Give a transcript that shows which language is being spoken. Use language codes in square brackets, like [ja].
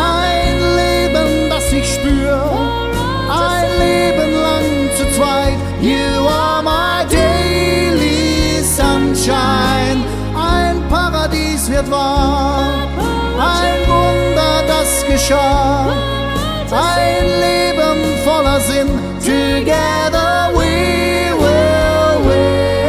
[de] Ein Leben, das ich spür, ein Leben lang zu zweit. [en] You are my daily sunshine. [de] Ein Paradies wird wahr, ein Wunder, das geschah. Ein Leben voller Sinn. [en] Together we will win.